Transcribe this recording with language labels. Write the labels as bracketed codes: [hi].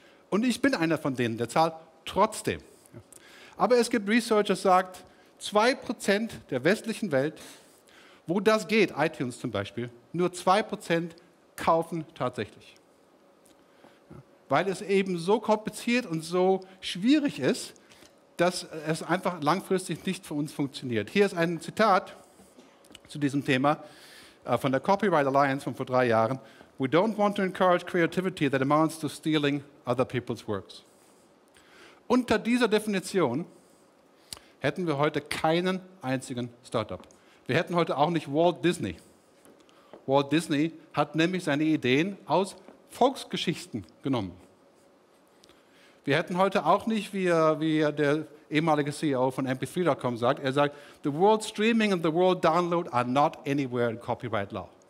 [de] Und ich bin einer von denen, der zahlt trotzdem. Aber es gibt Research, das sagt, 2% der westlichen Welt, wo das geht, iTunes zum Beispiel, nur 2% kaufen tatsächlich. Weil es eben so kompliziert und so schwierig ist, dass es einfach langfristig nicht für uns funktioniert. Hier ist ein Zitat zu diesem Thema von der Copyright Alliance von vor 3 Jahren. [en] We don't want to encourage creativity that amounts to stealing other people's works. [de] Unter dieser Definition hätten wir heute keinen einzigen Startup. Wir hätten heute auch nicht Walt Disney. Walt Disney hat nämlich seine Ideen aus Volksgeschichten genommen. Wir hätten heute auch nicht, wie der ehemalige CEO von mp3.com sagt, er sagt, [en] the world streaming and the world download are not anywhere in copyright law.